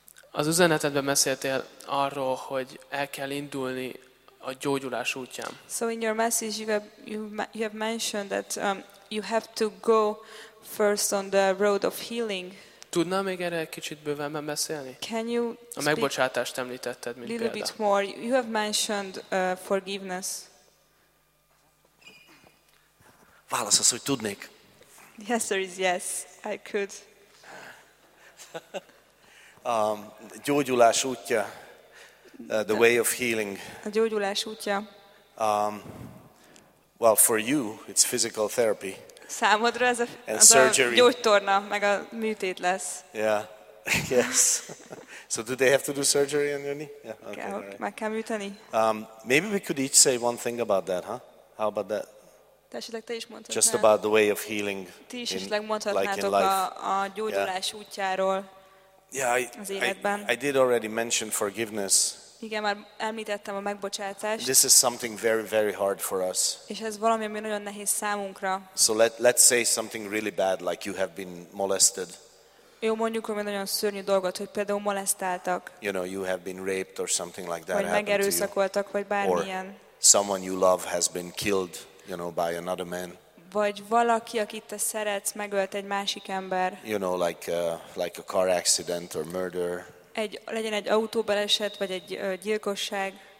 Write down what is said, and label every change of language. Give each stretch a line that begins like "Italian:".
Hungarian: Az üzenetedben beszéltél arról, hogy el kell indulni a gyógyulás útján.
English: So in your message you have mentioned that you have to go first on the road of healing.
Hungarian: Tudnál még erre egy kicsit bővebben beszélni?
English: Can you
Hungarian: a megbocsátást említetted, mint
English: példa. Bit more. You have mentioned forgiveness.
Hungarian: Válasz az, hogy tudnék.
English: Yes, there is yes, I could.
Hungarian: Gyógyulás útja,
English: the way of healing.
Hungarian: A gyógyulás útja.
English: Well, for you, it's physical therapy.
Hungarian: Számodra ez a gyógytorna, meg a műtét lesz.
English: Yeah, yes. So do they have to do surgery on your knee? Yeah. Okay, all right.
Hungarian: Meg kell műteni.
English: Maybe we could each say one thing about that, huh? How about that?
Hungarian: Te esetleg te is mondhatnál.
English: Just about the way of healing.
Hungarian: Ti is esetleg mondhatnátok a gyógyulás útjáról.
English: Yeah, I did already mention forgiveness.
Hungarian: Igen, már említettem a megbocsátást.
English: This is something very, very hard for us.
Hungarian: És ez valami, ami nagyon nehéz számunkra.
English: So let's say something really bad, like you have been molested.
Hungarian: Jó, mondjuk, hogy nagyon szörnyű dolgot, hogy például molesztáltak.
English: You know, you have been raped or something like that.
Hungarian: Vagy megerőszakoltak, vagy bármilyen.
English: Or someone you love has been killed, you know, by another man.
Hungarian: Vagy valaki, akit te szeretsz, megölt egy másik ember.
English: You know, like a car accident or murder.
Hungarian: Legyen egy autóbaleset vagy egy gyilkosság.